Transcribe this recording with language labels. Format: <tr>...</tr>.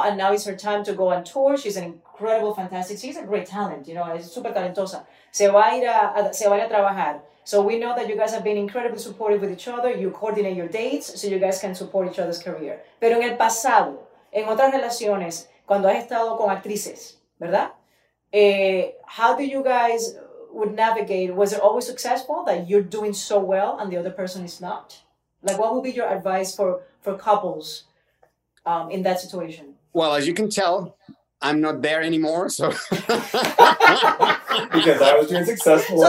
<en>And now it's her time to go on tour. She's an incredible, fantastic. She's a great talent, you know. Es súper talentosa. Se va a ir a trabajar. So we know that you guys have been incredibly supportive with each other. You coordinate your dates so you guys can support each other's career.</en> <es>Pero en el pasado, en otras relaciones, cuando has estado con actrices, ¿verdad?</es> <en>How do you guys would navigate? Was it always successful that you're doing so well and the other person is not? Like, what would be your advice for couples in that situation? Well, as you can tell, I'm not there anymore, so because I was doing successful,</en>